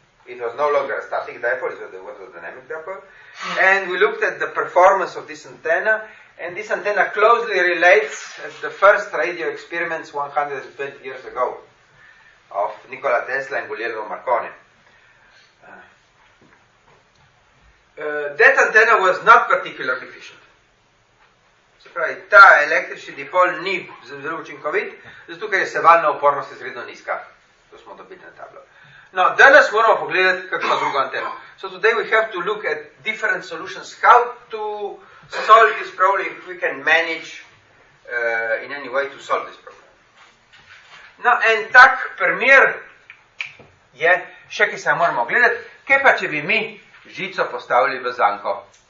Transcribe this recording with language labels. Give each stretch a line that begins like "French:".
English: It was no longer a static dipole, it was a dynamic dipole. And we looked at the performance of this antenna, and this antenna closely relates at the first radio experiments 120 years ago of Nikola Tesla and Guglielmo Marconi. That antenna was not particularly efficient.
Slovenian: Se pravi, ta električni dipol ni zelo učinkovit, zato ker je sevalna upornost izredno nizka. To smo dobili na tablo. No, danes moramo pogledati kakšno drugo anteno.
English: So today we have to look at different solutions, how to solve this problem, if we can manage in any way to solve this problem.
Slovenian: No, en tak primer je, še ki se moramo gledati, kaj pa če bi mi žico postavili v zanko.